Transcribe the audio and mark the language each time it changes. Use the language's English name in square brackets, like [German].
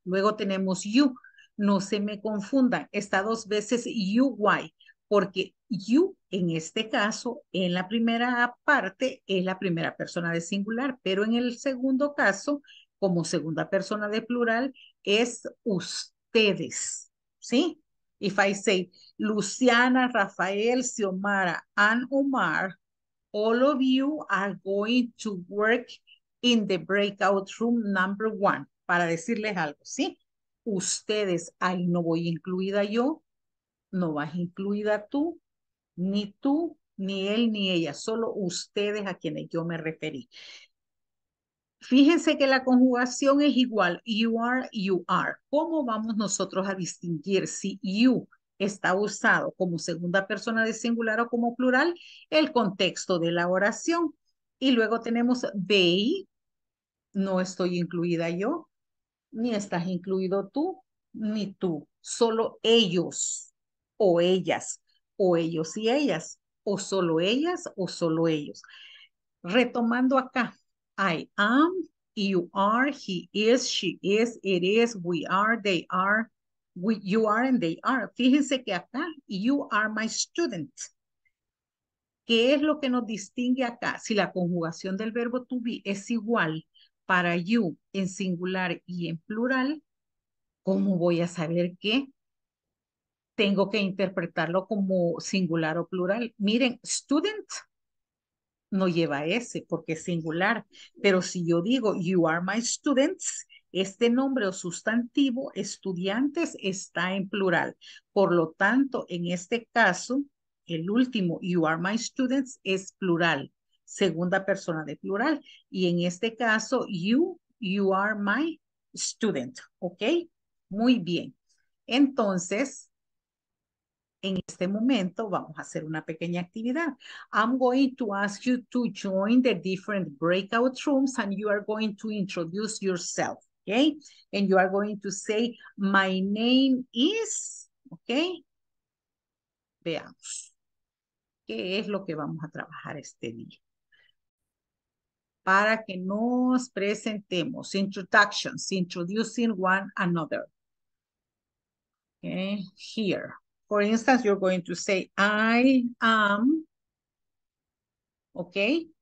[Spanish] Luego tenemos you. No se me confundan. Está dos veces you, why. Porque you, en este caso, en la primera parte, es la primera persona de singular. Pero en el segundo caso, como segunda persona de plural, es ustedes. ¿Sí? [English] If I say, Luciana, Rafael, Xiomara, and Omar, all of you are going to work in the breakout room number one. [Spanish] Para decirles algo, ¿sí? Ustedes, ahí no voy incluida yo. No vas incluida tú, ni él, ni ella. Solo ustedes a quienes yo me referí. Fíjense que la conjugación es igual. You are. ¿Cómo vamos nosotros a distinguir si you está usado como segunda persona de singular o como plural? El contexto de la oración. Y luego tenemos they. No estoy incluida yo. Ni estás incluido tú, ni tú. Solo ellos. O ellas, o ellos y ellas, o solo ellas, o solo ellos. Retomando acá, [English] I am, you are, he is, she is, it is, we are, they are, we, you are, and they are. [Spanish] Fíjense que acá, [English] you are my student. [Spanish] ¿Qué es lo que nos distingue acá? Si la conjugación del verbo to be es igual, para you en singular y en plural, ¿cómo voy a saber qué? Tengo que interpretarlo como singular o plural. Miren, student no lleva S porque es singular. Pero si yo digo, [English] you are my students, [Spanish] este nombre o sustantivo, estudiantes, está en plural. Por lo tanto, en este caso, el último, [English] you are my students, [Spanish] es plural. Segunda persona de plural. Y en este caso, [English] you are my student. [Spanish] ¿Ok? Muy bien. Entonces, en este momento vamos a hacer una pequeña actividad. [English] I'm going to ask you to join the different breakout rooms and you are going to introduce yourself, okay? And you are going to say, my name is, okay? [Spanish] Veamos. ¿Qué es lo que vamos a trabajar este día? Para que nos presentemos. [English] Introductions, introducing one another. Okay, here. For instance, you're going to say, I am, okay?